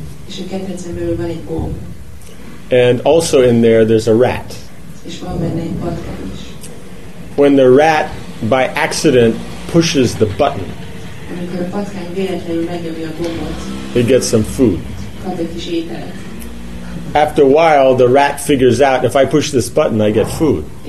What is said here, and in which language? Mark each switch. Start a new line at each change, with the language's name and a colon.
Hungarian: És a ketrecen belül van egy gomb.
English: And also in there's a rat.
Hungarian: És van benne egy patkány is.
English: When the rat by accident pushes the button,
Hungarian: amikor a patkány véletlenül megnyomja a gombot,
English: it gets some food.
Hungarian: Kap egy kis ételet.
English: After a while, the rat figures out, if I push this button, I get food.